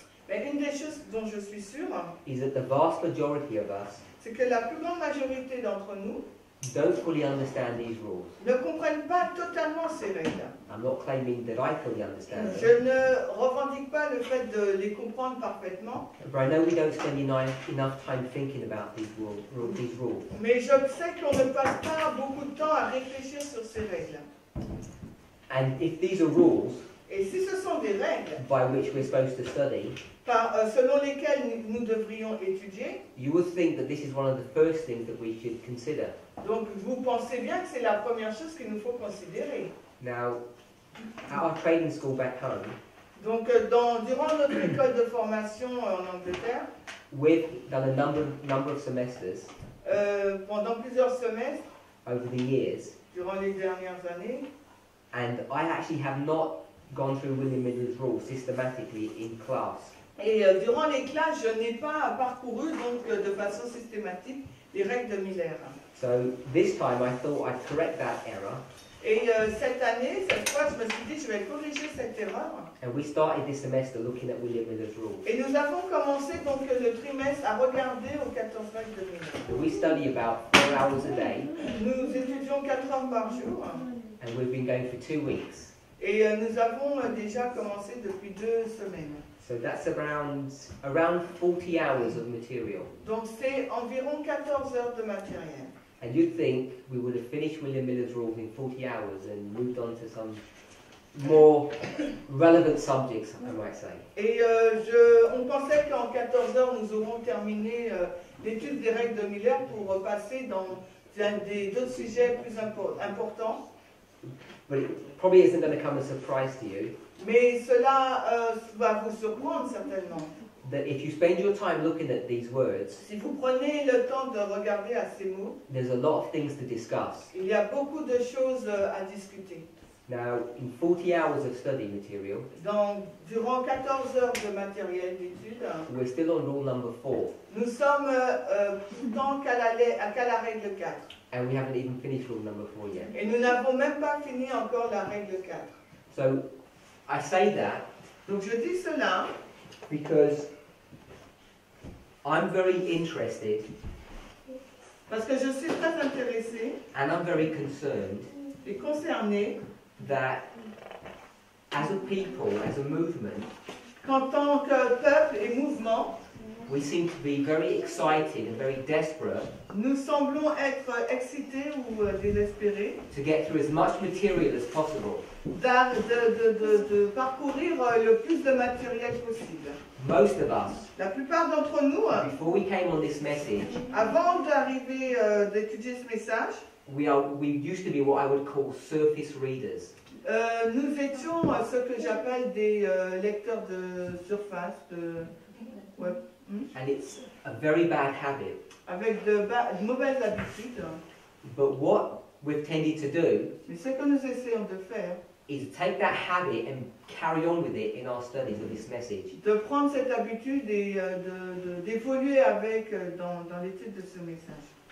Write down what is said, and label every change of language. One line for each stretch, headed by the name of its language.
French: Mais une des choses dont je suis sûr.
English: Is that the vast majority of us.
French: C'est que la plus grande majorité d'entre nous
English: don't fully understand these rules.
French: Ne comprennent pas totalement ces règles.
English: I'm not claiming that I fully understand
French: them. Je ne revendique pas le fait de les comprendre parfaitement.
English: But I know we don't spend enough time thinking about these rules.
French: Mais je sais qu'on ne passe pas beaucoup de temps à réfléchir sur ces règles.
English: And if these are rules,
French: et si ce sont des règles
English: by which we're supposed to study,
French: par, selon lesquels nous devrions étudier.
English: You would think that this is one of the first things that we should consider.
French: Donc vous pensez bien que c'est la première chose qu'il nous faut considérer.
English: Now, at our training school back home.
French: Donc durant notre école de formation en Angleterre.
English: We've done a number of semesters.
French: Pendant plusieurs semestres.
English: Over the years.
French: Durant les dernières années.
English: And I actually have not gone through William Miller's rules systematically in class.
French: Et durant les classes, je n'ai pas parcouru donc de façon systématique les règles de Miller.
English: So this time I thought I'd correct that error.
French: Et cette année, cette fois, je me suis dit je vais corriger cette erreur.
English: And we started this semester looking at William Miller's rules.
French: Et nous avons commencé donc le trimestre à regarder aux 14 règles de Miller.
English: So we study about 4 hours a day.
French: Nous étudions 4 heures par jour.
English: And we've been going for 2 weeks.
French: Et nous avons déjà commencé depuis 2 semaines.
English: So that's around 40 hours of material.
French: Donc c'est environ 14 heures de matériel.
English: And you'd think we would have finished William Miller's rules in 40 hours and moved on to some more relevant subjects, I might say.
French: Et on pensait qu'en 14 heures nous aurons terminé l'étude des règles de Miller pour passer dans d'autres sujets plus importants.
English: But it probably isn't going to come as a surprise to you.
French: Mais cela va vous surprendre certainement.
English: That if you spend your time looking at these words,
French: si vous prenez le temps de regarder à ces mots,
English: there's a lot of things to discuss.
French: Il y a beaucoup de choses à discuter.
English: Now, in 40 hours of study material,
French: donc durant 14 heures de matériel d'étude,
English: we're still on rule number 4.
French: Nous sommes tant qu'à la règle 4.
English: And we haven't even finished rule number 4 yet.
French: Et nous n'avons même pas fini encore la règle 4.
English: So, I say that.
French: Donc je dis cela.
English: Because I'm very interested.
French: Parce que je suis très intéressé.
English: And I'm very concerned.
French: Et concerné.
English: That as a people, as a movement,
French: qu'en tant que peuple et mouvement,
English: we seem to be very excited and very desperate.
French: Nous semblons être excités ou désespérés.
English: To get through as much material as possible.
French: De parcourir le plus de matériel possible.
English: Most of us.
French: La plupart d'entre nous.
English: Before we came on this message.
French: Avant d'arriver d'étudier ce message.
English: We used to be what I would call surface readers.
French: Nous étions ce que j'appelle des lecteurs de surface.
English: And it's a very bad habit.
French: Avec de mauvaises habitudes.
English: But what we've tended to do.
French: Mais ce que nous essayons de faire.
English: Is take that habit and carry on with it in our studies of this message.
French: De prendre cette habitude et d'évoluer avec dans l'étude de ce message.